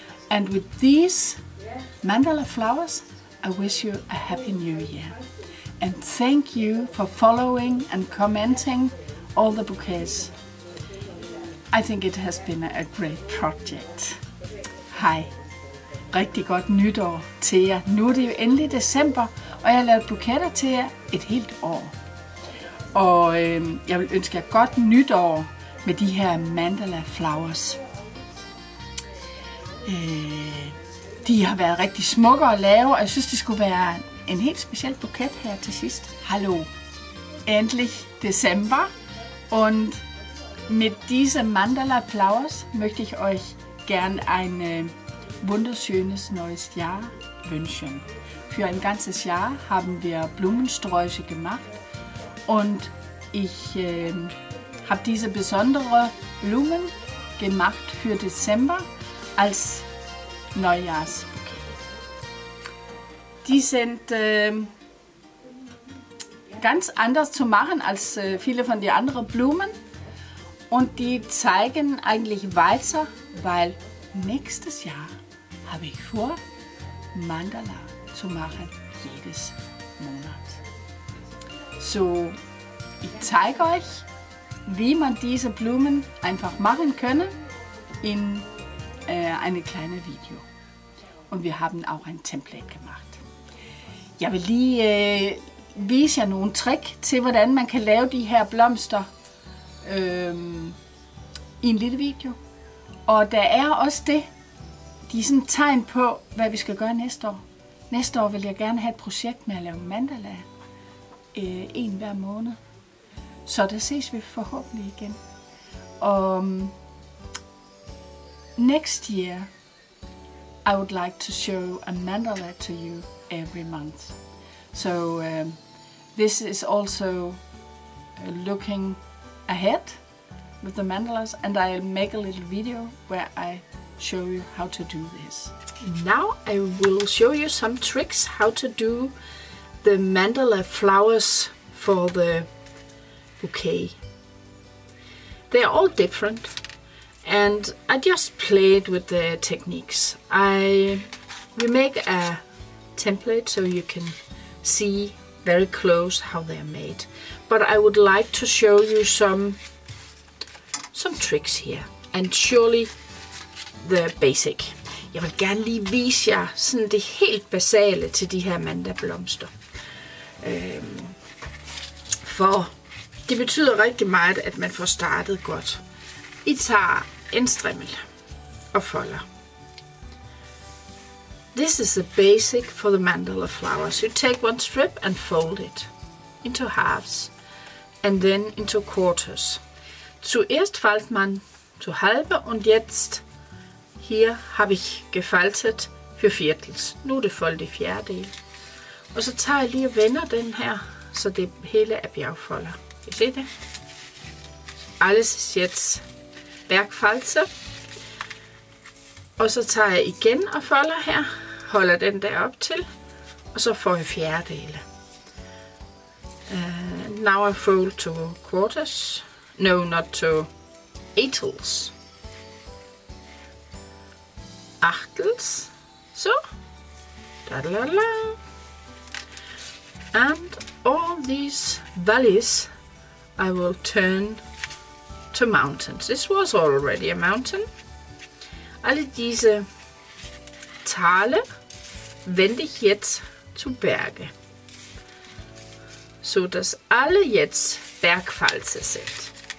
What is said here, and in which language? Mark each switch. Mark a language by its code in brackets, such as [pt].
[en] And with these mandala flowers, I wish you a happy new year. And thank you for following and commenting all the bouquets. I think it has been a great project. [da] Hej. Rigtig godt nytår til jer. Nu er det jo endelig december, og jeg har lavet buketter til jer et helt år. Og jeg vil ønske jer godt nytår med de her mandala flowers. De har været rigtig smukke at lave, og jeg synes, det skulle være en helt speciel buket her til sidst. Hallo. Endelig december. [de] Und mit diesen Mandala Flowers möchte ich euch gern ein wunderschönes neues Jahr wünschen. Für ein ganzes Jahr haben wir Blumensträuße gemacht und ich habe diese besondere Blumen gemacht für Dezember als Neujahrs. Die sind ganz anders zu machen als viele von den anderen Blumen. Und die zeigen eigentlich weiter, weil nächstes Jahr habe ich vor, Mandala zu machen, jedes Monat. So, ich zeige euch, wie man diese Blumen einfach machen kann in einem kleinen Video. Und wir haben auch ein Template gemacht. [da] Jeg vil lige vise jer nogle trick til, hvordan man kan lave de her blomster i en lille video. Og der er også det, de er sådan et tegn på, hvad vi skal gøre næste år. Næste år vil jeg gerne have et projekt med at lave mandala en hver måned. Så der ses vi forhåbentlig igen. Og [en] next year, I would like to show a mandala to you every month. So this is also looking ahead with the mandalas, and I'll make a little video where I show you how to do this. Now I will show you some tricks how to do the mandala flowers for the bouquet. They're all different and I just played with the techniques. We make a template so you can see very close how they are made, but I would like to show you some tricks here, and surely the basic. [da] Jeg vil gerne lige vise jer sådan det helt basale til de her mandablomster, for det betyder rigtig meget, at man får startet godt. I tager en strimmel og folder. [en] This is the basic for the mandala flowers. You take one strip and fold it into halves and then into quarters. [de] Zuerst faltet man zu halbe und jetzt hier habe ich gefaltet für viertels. [da] Nu er det foldet i fjerdedel. Og så tager jeg lige og vender den her, så det hele er bjergfolder. Kan I se det? [de] Alles ist jetzt bergfalze. [da] Og så tager jeg igen og folder her. Holder den der op til, og så får jeg fjerdedele. [en] Now I fold to quarters. No, not to eightels. [de] Achtels. So. Da-da-da-da. [en] And all these valleys I will turn to mountains. This was already a mountain. [de] Alle diese Tale wende ich jetzt zu Berge, so dass alle jetzt Bergfalze sind.